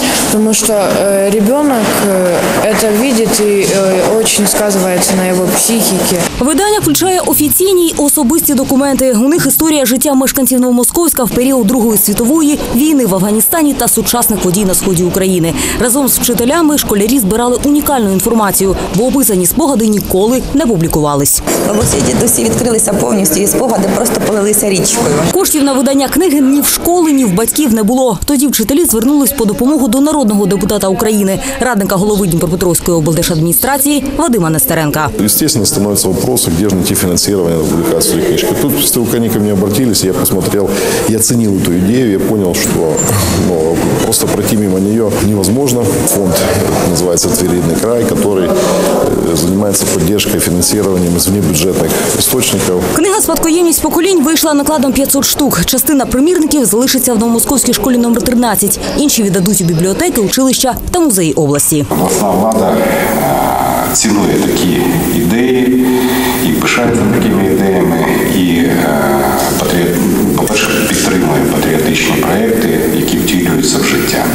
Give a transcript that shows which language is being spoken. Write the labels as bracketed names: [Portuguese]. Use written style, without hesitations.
[Russian] Потому что ребенок это видит и очень сказывается на его психике. [Ukrainian] Видання включає офіційні й особисті документи. У них історія життя мешканців Новомосковська в період Другої світової, війни в Афганістані та сучасних подій на сході України. Разом з вчителями школярі збирали унікальну інформацію, бо описані спогади ніколи не публікувались. Бабусі і дідусі відкрилися повністю, і спогади просто полилися річкою. Коштів на видання книги ні в школи, ні в батьків не було. Тоді вчителі звернулись по допомогу до народного депутата України, радника голови Дніпропетровської облдержадміністрації Вадима Нестеренка. [Russian] Звісно, становиться вопрос, где же найти финансирование на публикацию своей книжки. Тут только они ко мне обратились, я посмотрел, я оценил эту идею, я понял, что просто пройти мимо нее невозможно. Фонд называется «Твій рідний край», который занимается поддержкой и финансированием из внебюджетных источников. [Ukrainian] Книга «Спадкоємність поколінь» вийшла накладом 500 штук. Частина примірників залишиться в Новомосковській школі номер 13. Інші віддадуть у бібліотеки, училища та музеї області. Власна влада цінує такі ідеї і пишається такими ідеями, і, по-перше, підтримує патріотичні проекти, які втілюються в життя.